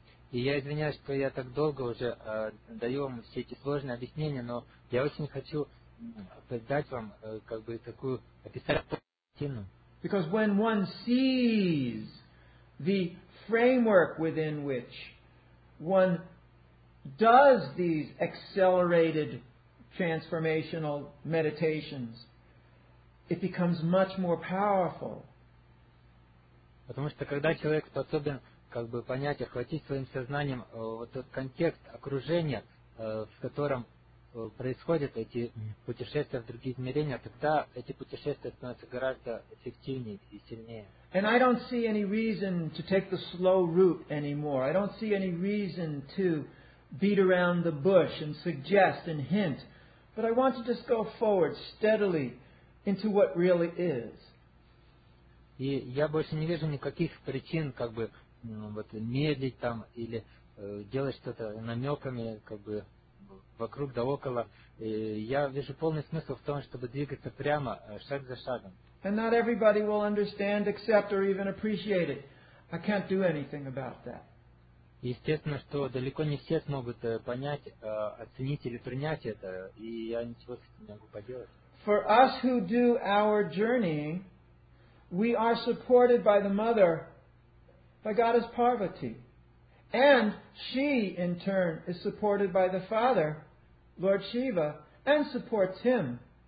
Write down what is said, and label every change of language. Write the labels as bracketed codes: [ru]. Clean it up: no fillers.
[ru] И я извиняюсь, что я так долго уже даю вам все эти сложные объяснения, но я очень хочу дать вам как бы такую описательную картину. [en] Because when one sees the framework within which one does these accelerated transformational meditations, it becomes much more powerful. [ru] Потому что когда человек способен как бы понять, охватить своим сознанием вот этот контекст окружения, в котором происходят эти путешествия в другие измерения, тогда эти путешествия становятся гораздо эффективнее и сильнее. [en] And I don't see any reason to take the slow route anymore. I don't see any reason to beat around the bush and suggest and hint. But I want to just go forward steadily into what really is. [ru] И я больше не вижу никаких причин, как бы, вот медлить там или делать что-то намеками как бы вокруг да около. И я вижу полный смысл в том, чтобы двигаться прямо, шаг за шагом. [en] And not everybody will understand, accept, or even appreciate it. I can't do anything about that. [ru] Естественно, что далеко не все смогут понять, оценить или принять это, и я ничего с этим не могу поделать. [en] For us who do our journeying, we are supported by the mother, by goddess Parvati. And she, in turn, is supported by the father, Lord Shiva, and supports him.